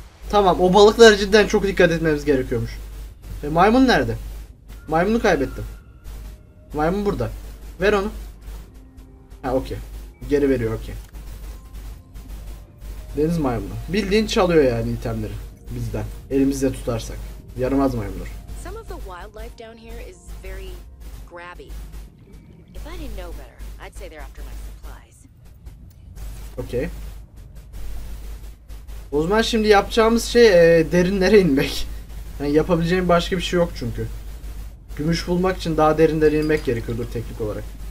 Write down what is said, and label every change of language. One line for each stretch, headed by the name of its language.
Turkish: Tamam, o balıklar cidden çok dikkat etmemiz gerekiyormuş. Maymun nerede? Maymunu kaybettim. Maymun burada. Ver onu. Ha, okey. Geri veriyor, okey. Deniz maymunu. Bildiğin çalıyor yani itemleri bizden. Elimizde tutarsak. Yaramaz maymunlar.
English: Some of the wildlife down here is very grabby. If I didn't know better, I'd say they're after my supplies.
Turkish: Okey. O zaman şimdi yapacağımız şey derinlere inmek. Yani yapabileceğim başka bir şey yok çünkü. Gümüş bulmak için daha derinlere inmek gerekiyordur teknik olarak.